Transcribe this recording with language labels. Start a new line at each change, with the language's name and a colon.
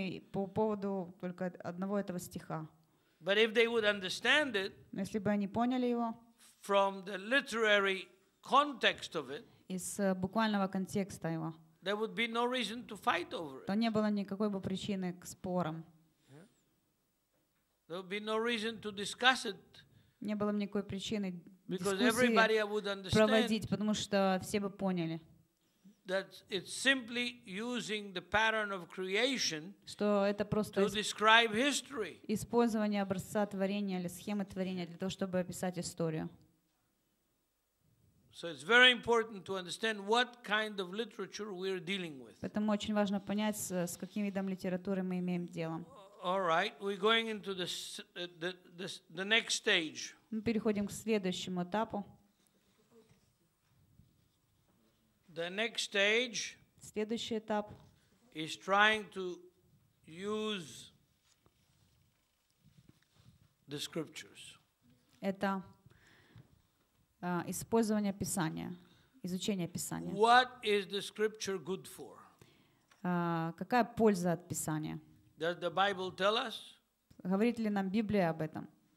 Russian: По поводу только одного этого стиха.
English: But if they would understand it,
Russian: если бы они поняли его,
English: from the literary context of it,
Russian: из буквального контекста его,
English: there would be no reason to fight over it.
Russian: То не было никакой бы причины к спорам.
English: There would be no reason to discuss it.
Russian: Не было никакой причины дискуссии проводить, потому что все бы поняли,
English: that it's simply using the pattern of creation,
Russian: что это просто
English: describe history.
Russian: Использование образца творения или схемы творения для того, чтобы описать историю.
English: So it's very important to understand what kind of literature we're dealing with.
Russian: Поэтому очень важно понять, с каким видом литературы мы имеем дело.
English: All right, we're going into the next stage.
Russian: Мы переходим к следующему этапу.
English: The next stage.
Russian: Следующий этап.
English: Is trying to use the scriptures.
Russian: Это использование Писания, изучение Писания.
English: What is the scripture good for?
Russian: Какая польза от Писания?
English: Does the Bible tell us?
Russian: Говорит ли нам Библия об этом?